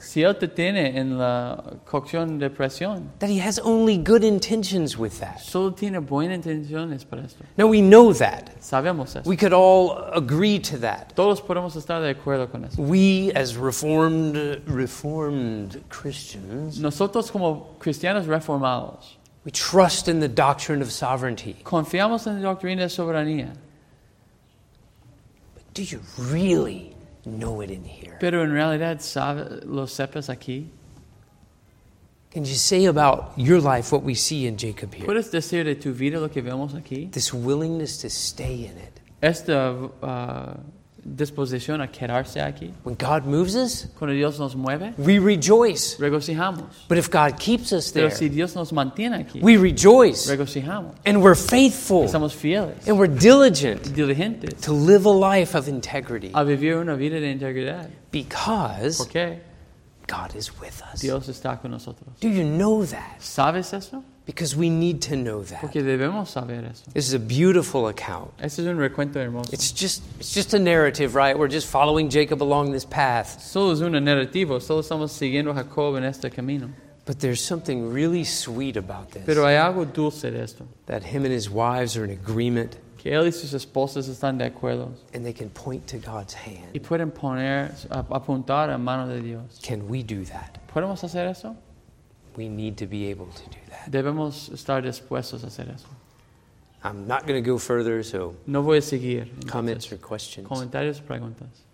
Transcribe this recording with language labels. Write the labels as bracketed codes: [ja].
[es] Si él te tiene en la cocción de presión. [en] That he has only good intentions with that. [es] Solo tiene buenas intenciones para esto. [en] Now we know that. [es] Sabemos eso. [en] We could all agree to that. [es] Todos podemos estar de acuerdo con eso. [en] We as reformed Christians. [es] Nosotros como cristianos reformados. [en] We trust in the doctrine of sovereignty. [es] Confiamos en la doctrina de soberanía. [en] But do you really know it in here? [es] Pero en realidad, ¿sabes, lo sepas aquí? [en] Can you say about your life what we see in Jacob here? [es] ¿Puedes decir de tu vida lo que vemos aquí? [en] This willingness to stay in it. [es] Esta disposición a quedarse aquí. [en] When God moves us, [es] cuando Dios nos mueve, [en] we rejoice. [es] Regocijamos. [en] But if God keeps us there, [es] pero si Dios nos mantiene aquí, [en] we rejoice. [es] Regocijamos. [en] And we're faithful. [es] Somos fieles. [en] And we're diligent. [es] Diligentes. [en] To live a life of integrity. [es] A vivir una vida de integridad. [en] Because okay. God is with us. [es] Dios está con nosotros. [en] Do you know that? [es] ¿Sabes eso? [en] Because we need to know that. [es] Porque debemos saber eso. [en] This is a beautiful account. [es] Este es un recuento hermoso. [en] It's just a narrative, right? We're just following Jacob along this path. [es] Solo es una narrativa. Solo estamos siguiendo a Jacob en este camino. [en] But there's something really sweet about this. [es] Pero hay algo dulce de esto. [en] That him and his wives are in agreement. [es] Que él y sus esposas están de acuerdo. [en] And they can point to God's hand. [es] Y pueden poner, apuntar a mano de Dios. [en] Can we do that? [es] ¿Podemos hacer eso? [en] We need to be able to do that. [es] Debemos estar dispuestos a hacer eso. [en] I'm not going to go further, so. [es] No voy a seguir. [en] Comments or questions. [es] Comentarios o preguntas.